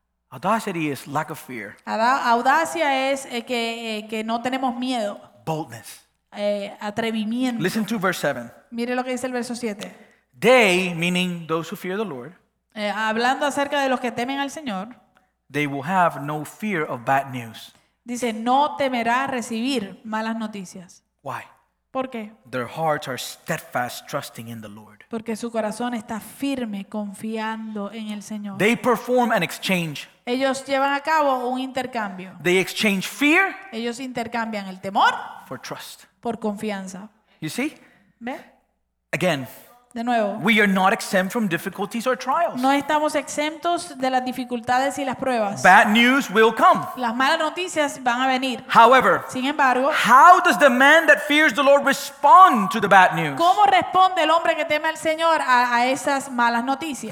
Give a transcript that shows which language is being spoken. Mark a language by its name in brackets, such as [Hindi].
[English] Audacity is lack of fear. [Spanish] Audacia es que no tenemos miedo. [English] Boldness. [Spanish] Atrevimiento. [English] Listen to verse 7. [Spanish] Mire lo que dice el verso 7. [English] They, meaning those who fear the Lord. [Spanish] Hablando acerca de los que temen al Señor. [English] They will have no fear of bad news. [Spanish] Dice, no temerá recibir malas noticias. [English] Why? [Spanish] ¿Por qué? [English] Their hearts are steadfast trusting in the Lord. [Spanish] Porque su corazón está firme confiando en el Señor. [English] They perform an exchange. [Spanish] Ellos llevan a cabo un intercambio. [English] They exchange fear. [Spanish] Ellos intercambian el temor [English] for trust. [Spanish] Por confianza. [English] You see? [Spanish] ¿Ve? [English] Again. [Spanish] De nuevo. [English] We are not exempt from difficulties or trials. [Spanish] No estamos exentos de las dificultades y las pruebas. [English] Bad news will come. [Spanish] Las malas noticias van a venir. [English] However, [Spanish] sin embargo, [English] how does the man that fears the Lord respond to the bad news? [Spanish] ¿Cómo responde el hombre que teme al Señor a esas malas noticias?